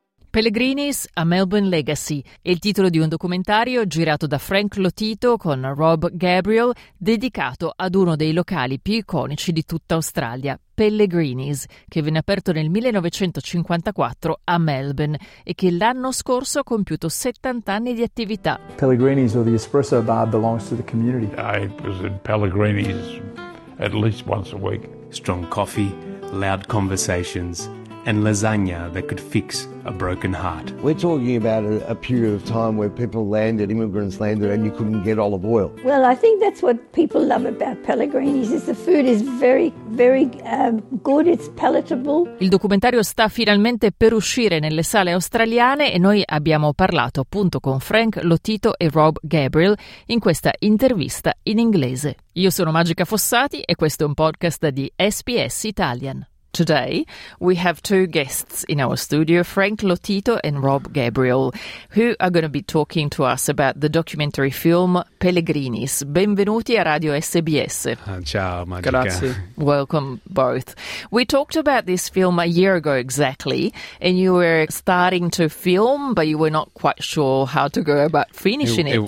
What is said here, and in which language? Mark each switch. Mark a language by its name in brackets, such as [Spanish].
[Italian] Pellegrinis, A Melbourne Legacy è il titolo di un documentario girato da Frank Lotito con Rob Gabriel, dedicato ad uno dei locali più iconici di tutta Australia, Pellegrinis, che venne aperto nel 1954 a Melbourne e che l'anno scorso ha compiuto 70 anni di attività. [English] Pellegrinis or the espresso bar belongs to the community. I was in Pellegrinis at least once a week. Strong coffee, loud conversations and lasagna that could fix a broken heart. We're talking about a period of time where people landed, immigrants landed, and you couldn't get olive oil. Well, I think that's what people love about Pellegrinis, is the food is very, very good, it's palatable. [Italian] Il documentario sta finalmente per uscire nelle sale australiane e noi abbiamo parlato appunto con Frank Lotito e Rob Gabriel in questa intervista in inglese. Io sono Magica Fossati e questo è un podcast di SBS Italian. [English] Today, we have two guests in our studio, Frank Lotito and Rob Gabriel, who are going to be talking to us about the documentary film Pellegrinis. [Italian] Benvenuti a Radio SBS. Ciao, Magica. Grazie. [English] Welcome both. We talked about this film a year ago exactly, and you were starting to film, but you were not quite sure how to go about finishing it.